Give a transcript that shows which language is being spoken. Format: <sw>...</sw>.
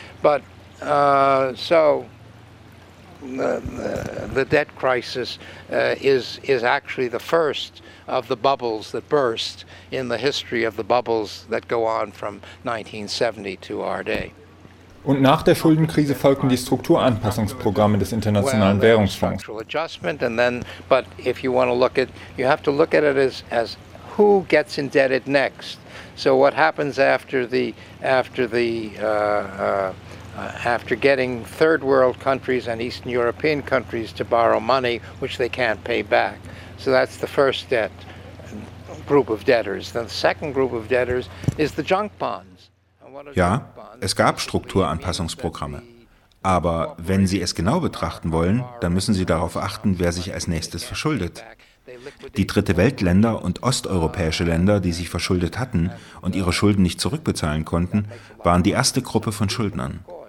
<en>But so the debt crisis is actually the first of the bubbles that burst in the history of the bubbles that go on from 1970 to our day.</en> <de>Und nach der Schuldenkrise folgten die Strukturanpassungsprogramme des Internationalen Währungsfonds.</de> <en>But if you want to look at, you have to look at it as who gets indebted next. So what happens after getting third world countries and Eastern European countries to borrow money which they can't pay back. So that's the first debt group of debtors. Then the second group of debtors is the junk bonds.</en> <de>Ja, es gab Strukturanpassungsprogramme. Aber wenn Sie es genau betrachten wollen, dann müssen Sie darauf achten, wer sich als nächstes verschuldet. Die Dritte Weltländer und osteuropäische Länder, die sich verschuldet hatten und ihre Schulden nicht zurückbezahlen konnten, waren die erste Gruppe von Schuldnern.</de>